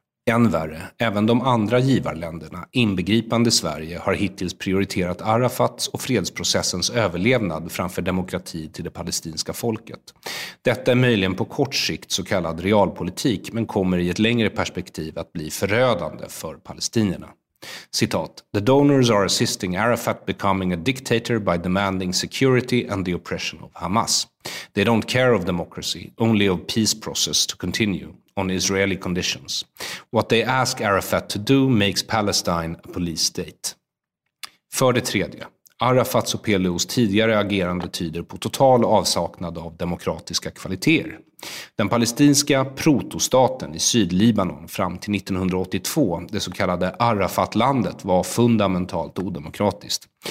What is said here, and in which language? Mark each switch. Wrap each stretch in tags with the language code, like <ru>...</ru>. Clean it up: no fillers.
<sv>Än värre, även de andra givarländerna, inbegripande Sverige, har hittills prioriterat Arafats och fredsprocessens överlevnad framför demokrati till det palestinska folket. Detta är möjligen på kort sikt så kallad realpolitik, men kommer i ett längre perspektiv att bli förödande för palestinierna. Citat:</sv> <en>the donors are assisting Arafat becoming a dictator by demanding security and the oppression of Hamas. They don't care of democracy, only of peace process to continue on Israeli conditions. What they ask Arafat to do makes Palestine a police state.</en> <sv>För det tredje, Arafats och PLOs tidigare agerande tyder på total avsaknad av demokratiska kvaliteter. Den palestinska protostaten i Sydlibanon fram till 1982, det så kallade Arafat-landet, var fundamentalt odemokratiskt.</sv>